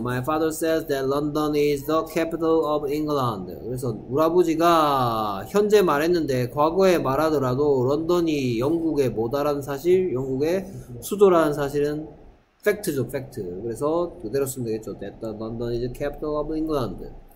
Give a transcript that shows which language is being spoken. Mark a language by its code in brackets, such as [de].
[en] My father says that London is the capital of England. [ko] 그래서 우리 아버지가 현재 말했는데 과거에 말하더라도 런던이 영국의 뭐다라는 사실, 영국의 수도라는 사실은 팩트죠, 팩트. 그래서 그대로 쓰면 되겠죠. [en] That the London is the capital of England.